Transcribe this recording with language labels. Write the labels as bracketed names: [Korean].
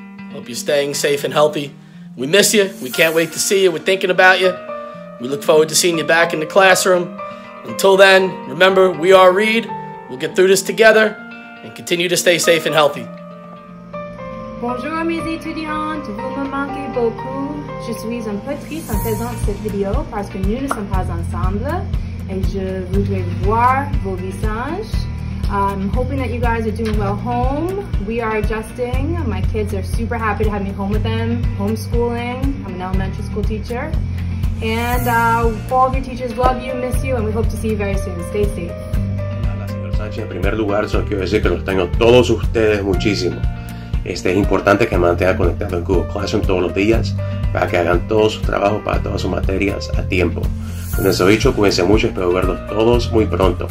[English] Hope you're staying safe and healthy. We miss you. We can't wait to see you. We're thinking about you. We look forward to seeing you back in the classroom. Until then, remember, we are Reed. We'll get through this together and continue to stay safe and healthy. [French] Bonjour mes étudiants, vous me manquez beaucoup. Je suis un peu triste en faisant cette vidéo parce que nous ne sommes pas ensemble et je voudrais voir vos visages. [English] I'm hoping that you guys are doing well home. We are adjusting. My kids are super happy to have me home with them, homeschooling. I'm an elementary school teacher. And all of your teachers love you, miss you, and we hope to see you very soon. Stay safe. [Spanish] Hola, señor Sánchez. En primer lugar, solo quiero decir que los tengo todos ustedes muchísimo. Es importante que mantenga conectado en Google Classroom todos los días para que hagan todos sus trabajos, para todas sus materias a tiempo. Con eso dicho, cuídense mucho, espero verlos todos muy pronto.